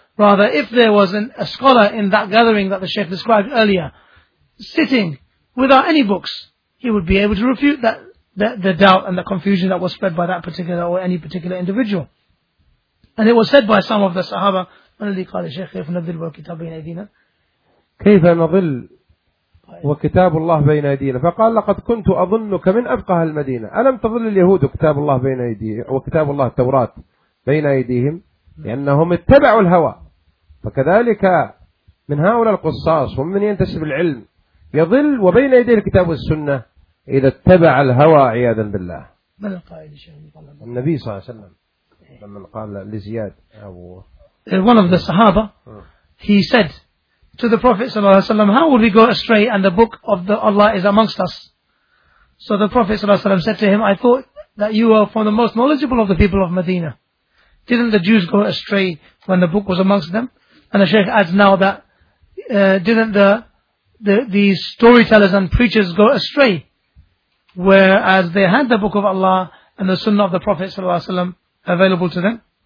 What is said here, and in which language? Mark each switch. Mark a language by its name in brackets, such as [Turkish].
[English] Rather, if there was a scholar in that gathering that the Shaykh described earlier, sitting without any books, he would be able to refute the doubt and the confusion that was spread by that particular or any particular individual. And it was said by some of the Sahaba, [Arabic] من الذي قال الشيخ كيف نضل والكتاب بين أيدينا؟ كيف نضل وكتاب الله بين أيدينا؟ فقال لقد كنت أظنك من أفقه المدينة. ألم تظل اليهود كتاب الله بين أيديهم وكتاب الله التوراة بين أيديهم؟ لأنهم اتبعوا الهوى. فكذلك من هؤلاء القصاص ومن ينتسب العلم يظل وبين يديه الكتاب والسنة إذا اتبع الهوى عياذا بالله. من القائل شيخ الله؟ النبي صلى الله عليه وسلم لما قال لزياد أو [English] one of the Sahaba, he said to the Prophet صلى الله عليه وسلم, how would we go astray and the book of the Allah is amongst us? So the Prophet صلى الله عليه وسلم said to him, I thought that you were from the most knowledgeable of the people of Medina. Didn't the Jews go astray when the book was amongst them? And the Shaykh adds now that didn't the storytellers and preachers go astray, whereas they had the book of Allah and the Sunnah of the Prophet sallallahu alaihi wasallam available to them.